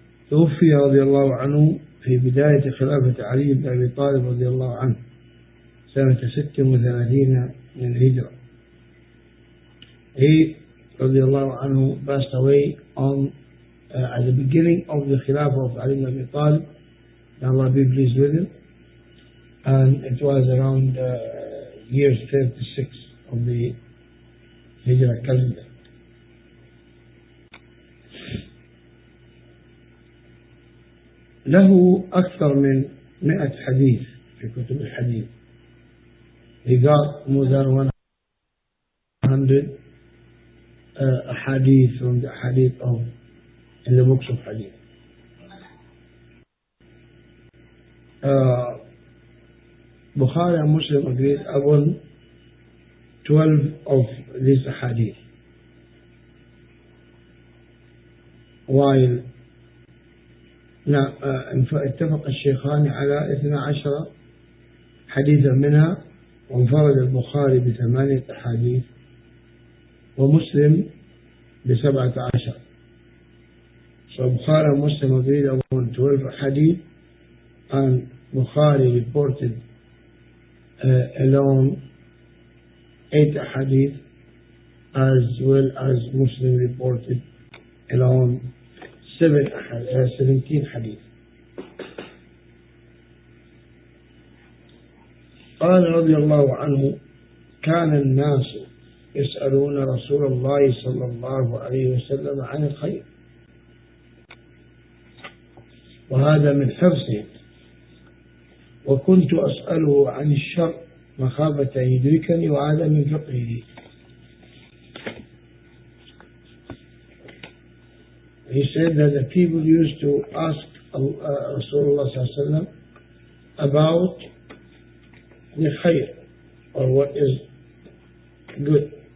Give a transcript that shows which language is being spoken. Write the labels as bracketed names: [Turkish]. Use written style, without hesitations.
[Arabic] توفي رضي الله عنه في بداية خلافة علي بن أبي طالب رضي الله عنه سنة 36 من الهجرة. [English] He [Arabic] رضي الله عنه [English] passed away on at the beginning of the خلافة of علي بن أبي طالب. May Allah be pleased with him. And it was around year 36 of the Hijra calendar. [Arabic] له أكثر من 100 حديث في كتب الحديث. [English] He got more than 100 hadith from the hadith of in the books of hadith. Bukhari and Muslim agreed upon 12 of these hadith, while [Arabic] اتفق الشيخان على 12 حديثا منها، وانفرد البخاري بثمانية حديث ومسلم بسبعة عشر. [English] فبخاري ومسلم agreed upon 12 حديث and بخاري reported alone 8 حديث as well as مسلم reported alone 17 حديث. [Arabic] قال رضي الله عنه كان الناس يسألون رسول الله صلى الله عليه وسلم عن الخير، وهذا من حرصه، وكنت أسأله عن الشر مخافة يدركني، وهذا من فقهه. [English] He said that the people used to ask Rasulullah sallallahu alayhi wa sallam about the khayr, or what is good.